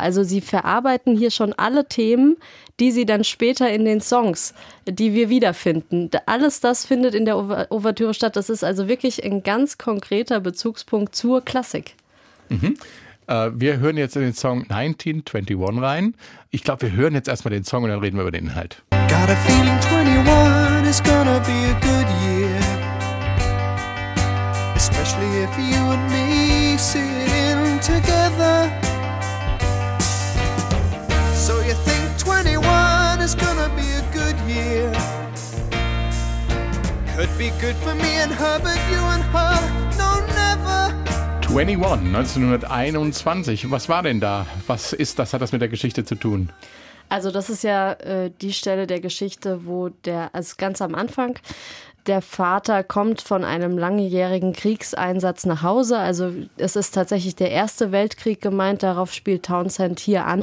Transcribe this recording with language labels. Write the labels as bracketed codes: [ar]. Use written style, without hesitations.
[de] Also sie verarbeiten hier schon alle Themen, die sie dann später in den Songs, die wir wiederfinden. Alles das findet in der Ouvertüre statt. Das ist also wirklich ein ganz konkreter Bezugspunkt zur Klassik. Mhm. Wir hören jetzt in den Song 1921 rein. Ich glaube, wir hören jetzt erstmal den Song und dann reden wir über den Inhalt. [en] Got a feeling 21 is gonna be a good year. Especially if you and me sit in together. So you think 21 is gonna be a good year. Could be good for me and her, but you and her, no, never. [de] 1921, was war denn da? Was ist das? Hat das mit der Geschichte zu tun? Also das ist ja die Stelle der Geschichte, wo der, also ganz am Anfang, der Vater kommt von einem langjährigen Kriegseinsatz nach Hause. Also es ist tatsächlich der Erste Weltkrieg gemeint, darauf spielt Townsend hier an.